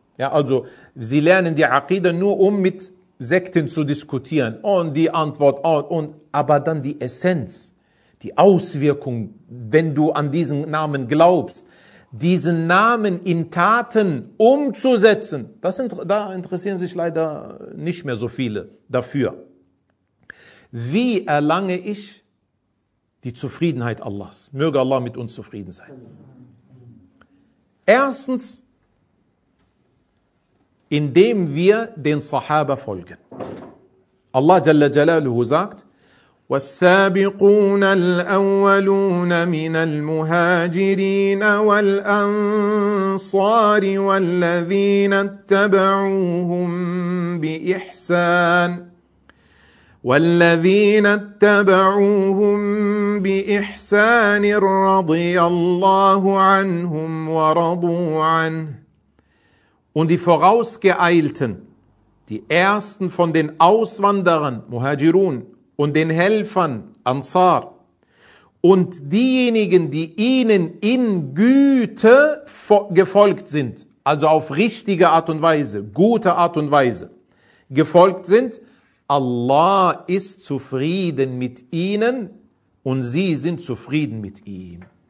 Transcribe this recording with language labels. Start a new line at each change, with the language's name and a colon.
German: Ja, also sie lernen die Aqida nur, um mit Sekten zu diskutieren und die Antwort und aber dann die Essenz, die Auswirkung, wenn du an diesen Namen glaubst, diesen Namen in Taten umzusetzen, da interessieren sich leider nicht mehr so viele dafür. Wie erlange ich die Zufriedenheit Allahs? Möge Allah mit uns zufrieden sein. Erstens, indem wir den Sahaba folgen. Allah Jalla Jalaluhu sagt,
Arabic: وَالسَّابِقُونَ الْأَوَّلُونَ مِنَ الْمُهَاجِرِينَ وَالْأَنصَارِ وَالَّذِينَ اتَّبَعُوهُمْ بِإِحْسَانٍ وَالَّذِينَ اتَّبَعُوهُمْ بِإِحْسَانٍ رَضِيَ اللَّهُ عَنْهُمْ وَرَضُوا عَنْهُ.
German: Und die Vorausgeeilten, die ersten von den Auswanderern, Muhajirun, und den Helfern, Ansar, und diejenigen, die ihnen in Güte gefolgt sind, also auf richtige Art und Weise, gute Art und Weise, gefolgt sind, Allah ist zufrieden mit ihnen und sie sind zufrieden mit ihm.